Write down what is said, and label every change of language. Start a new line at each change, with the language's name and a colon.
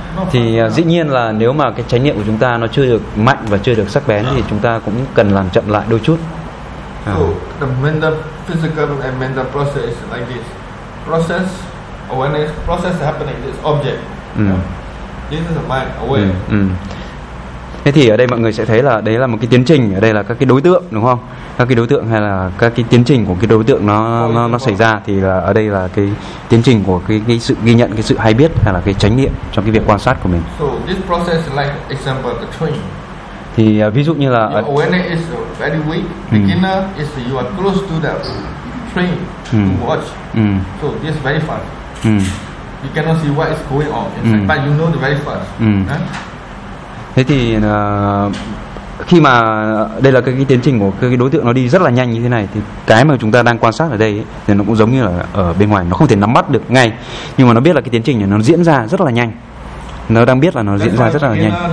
Vietnamese: Thì dĩ nhiên là nếu mà cái chánh niệm của chúng ta nó chưa được mạnh và chưa được sắc bén thì chúng ta cũng cần làm chậm lại đôi chút.
English: So the mental, physical, and mental process is like this. Process, awareness, process happening. This object. This is a mind aware.
Vietnamese: Thế thì ở đây mọi người sẽ thấy là đấy là một cái tiến trình, ở đây là các cái đối tượng đúng không? Các cái đối tượng hay là các cái tiến trình của cái đối tượng nó xảy ra thì là ở đây là cái tiến trình của cái sự ghi nhận, cái sự hay biết hay là cái chánh niệm trong cái việc quan sát của mình.
English: So this process is like example the train.
Vietnamese: Thì ví dụ như là
English: awareness is very weak. Beginner is you are close to the train to watch. So this is very fast. You cannot see what is going on inside, but you know the very fast.
Vietnamese: Thế thì khi mà đây là cái tiến trình của cái đối tượng nó đi rất là nhanh như thế này thì cái mà chúng ta đang quan sát ở đây ấy, thì nó cũng giống như là ở bên ngoài, nó không thể nắm bắt được ngay, nhưng mà nó biết là cái tiến trình này nó diễn ra rất là nhanh, nó đang biết là nó diễn ra rất là nhanh.